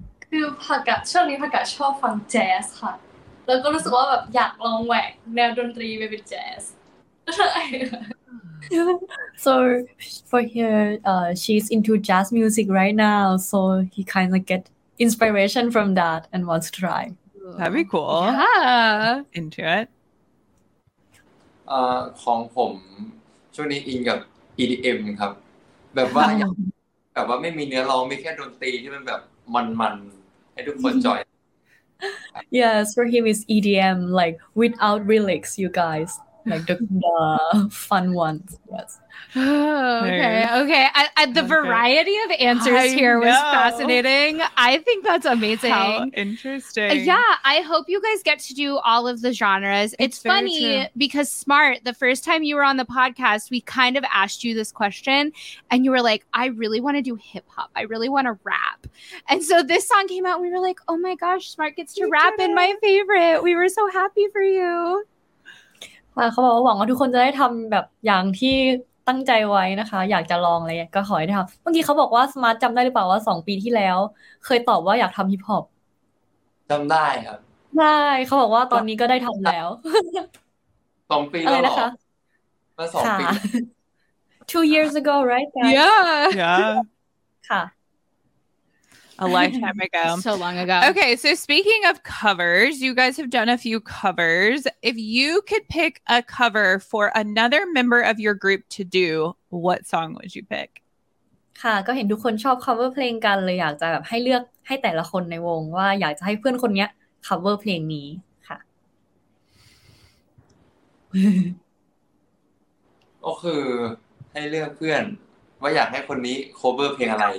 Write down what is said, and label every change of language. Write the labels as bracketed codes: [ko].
[th] คือผักกัดช่วงนี้ผักกัดชอบฟังแจ๊สค่ะแล้วก็รู้สึกว่าแบบอยากลองแหวกแนวดนตรีไปเป็นแจ๊ส [en] So for her, she's into jazz music right now. So he kind of get inspiration from that and wants to try. That'd be cool. Yeah. Into it. [th] ของผมช่วงนี้อินกับ EDM ครับแบบว่าอยากแบบว่าไม่มีเนื้อร้องมีแค่ดนตรีที่มันแบบมันๆให้ทุกคนจอย [en] Yes, for him is EDM like without lyrics, you guys. Like the fun ones. Yes. Okay. The variety of answers here was fascinating. I think that's amazing. How interesting. Yeah, I hope you guys get to do all of the genres. It's funny because Smart, the first time you were on the podcast, we kind of asked you this question and you were like, I really want to do hip hop. I really want to rap. And so this song came out. And we were like, oh my gosh, Smart gets to rap in my favorite. We were so happy for you. [th] เขาบอกว่าหวังว่าทุกคนจะได้ทำแบบอย่างที่ตั้งใจไว้นะคะอยากจะลองอะไรก็ขอให้ทำเมื่อกี้เขาบอกว่าสมาร์ทจำได้หรือเปล่าว่า2ปีที่แล้วเคยตอบว่าอยากทำฮิปฮอป จำได้ครับ ได้เขาบอกว่าตอนนี้ก็ได้ทำแล้ว 2ปีแล้วอะไรนะคะมา2ปี [en] 2 years ago right guys? yeah ค่ะA lifetime ago. So long ago. Okay, so speaking of covers, you guys have done a few covers. If you could pick a cover for another member of your group to do, what song would you pick? [th] ค่ะก็เห็นทุกคนชอบ cover เพลงกันเลยอยากจะแบบให้เลือกให้แต่ละคนในวงว่าอยากจะให้เพื่อนคนเนี้ย cover เพลงนี้ค่ะ ก็คือให้เลือกเพื่อน ว่าอยากให้คนนี้โคเวอร์เพลงอะไร